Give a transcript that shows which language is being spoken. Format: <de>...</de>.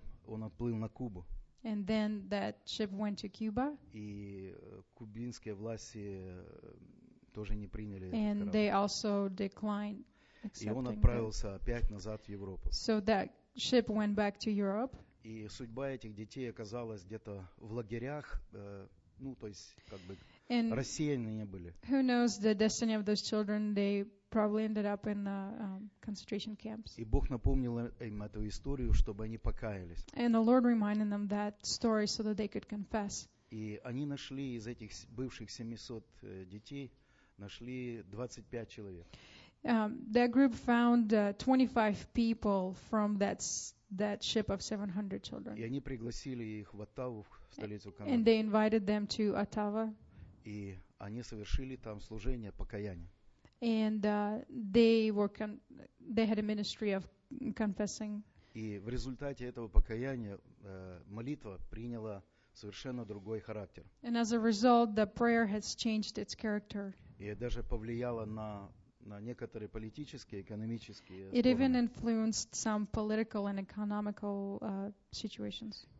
<ru>Потом он отплыл на Кубу.</ru> <en>And then that ship went to Cuba.</en> <ru>И кубинские власти тоже не приняли этот</ru> <en>And they also declined accepting.</en> <ru>И он отправился опять назад в Европу.</ru> <en>So that ship went back to Europe.</en> <ru>И судьба этих детей оказалась где-то в лагерях, ну, то есть как бы рассеянные были.</ru> <en>Who knows the destiny of those children? They probably ended up in the concentration camps.</en> <ru>И Бог напомнил им эту историю, чтобы они покаялись.</ru> <en>And the Lord reminded them that story so that they could confess.</en> <ru>И они нашли из этих бывших 700 детей нашли 25 человек.</ru> <en>That group found 25 people from that ship of 700 children.</en> <ru>И они пригласили их в Оттаву, в столицу Канады.</ru> <en>And they invited them to Ottawa.</en> <ru>И они совершили там служение покаяния.</ru> <en>And they had a ministry of confessing.</en> <ru>И в результате этого покаяния молитва приняла совершенно другой характер.</ru> <en>And as a result, the prayer has changed its character.</en> <ru>И даже повлияло на некоторые политические, экономические.</ru> <en>It even influenced some political and economical situations.</en>